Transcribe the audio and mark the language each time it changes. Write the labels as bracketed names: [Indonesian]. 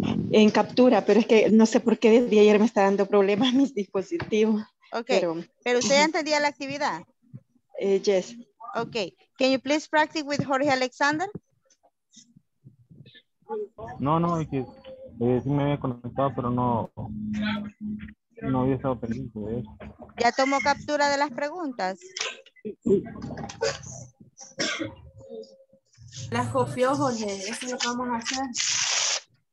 [Spanish] En captura, pero es que no sé por qué desde ayer me está dando problemas mis dispositivos. Ok, pero usted ya entendía la actividad. [English] Yes. Ok, can you please practice with Jorge Alexander? [Spanish] No, es que sí me había conectado, pero no había estado pendiente de eso. ¿Ya tomó captura de las preguntas? Las copió, Jorge, eso es lo que vamos a hacer.